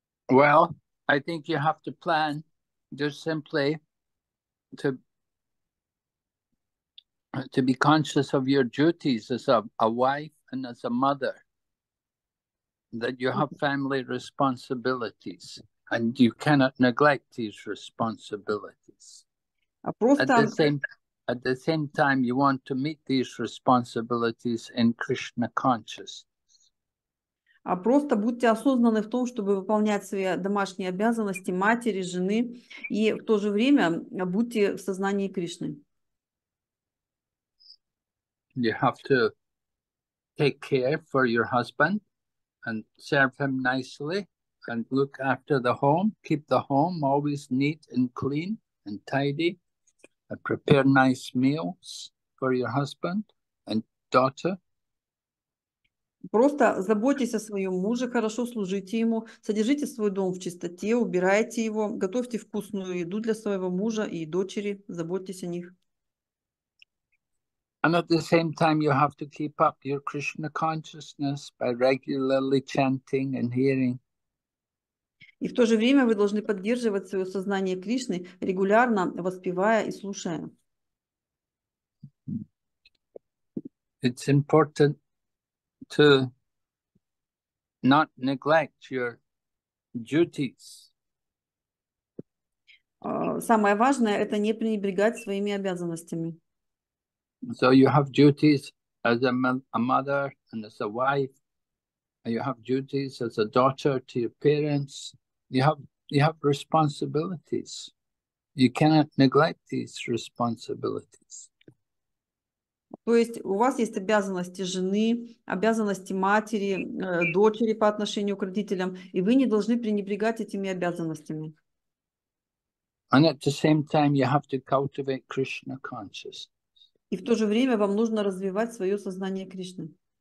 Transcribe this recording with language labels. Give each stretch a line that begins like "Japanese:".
English: Well, I think you have to plan just simply to be conscious of your duties as a wife and as a mother, that you have family responsibilities. And you cannot neglect these responsibilities. At the same time, you want to meet these responsibilities in Krishna consciousness.
Russian: А просто будьте осознанны в том, чтобы выполнять свои домашние обязанности матери, жены, и в то же время будьте в сознании Кришны.
English: You have to take care for your husband and serve him nicely. And look after the home, keep the home always neat and clean and tidy, and prepare nice meals for your husband and daughter.
Russian: Просто заботьтесь о своем муже, хорошо служите ему, содержите свой дом в чистоте, убирайте его, готовьте вкусную еду для своего мужа и дочери, заботьтесь о них.
English: And at the same time, you have to keep up your Krishna consciousness by regularly chanting and hearing.
Russian: И в то же время вы должны поддерживать свое сознание Кришны, регулярно воспевая и слушая.
English: It's important to not neglect your duties.
Russian: Самое важное – это не пренебрегать своими обязанностями.
English: So you have duties as a mother and as a wife, and you have duties as a daughter to your parents. You have responsibilities. You cannot neglect these responsibilities.
Russian: То есть у вас есть обязанности жены, обязанности матери, дочери по отношению к родителям, и вы не должны пренебрегать этими обязанностями.
English: And at the same time, you have to cultivate Krishna consciousness.
Russian: И в то же время вам нужно развивать свое сознание Кришны.